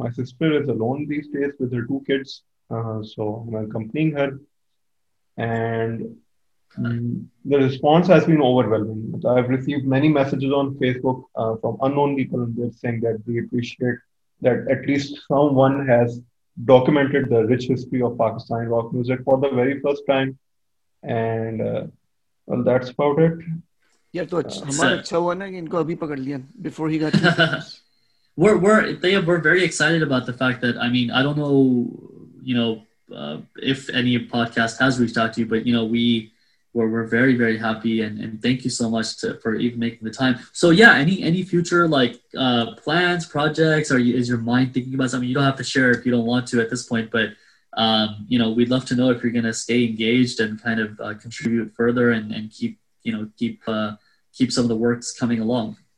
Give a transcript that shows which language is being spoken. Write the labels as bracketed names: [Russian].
[English] My sister is alone these days with her two kids. So I'm accompanying her, and the response has been overwhelming. I've received many messages on Facebook from unknown people, and they're saying that they appreciate that at least someone has documented the rich history of Pakistani rock music for the very first time. And well, that's about it. [Hindi] Yeah, so हमारा अच्छा हुआ ना कि इनको अभी पकड़ लिया [English] before he got to we're very excited about the fact that I mean I don't know. You know, if any podcast has reached out to you, but you know, we're very, very happy and thank you so much for even making the time. So yeah, any future like plans, projects, is your mind thinking about something? You don't have to share if you don't want to at this point, but you know, we'd love to know if you're gonna stay engaged and kind of contribute further and keep some of the works coming along.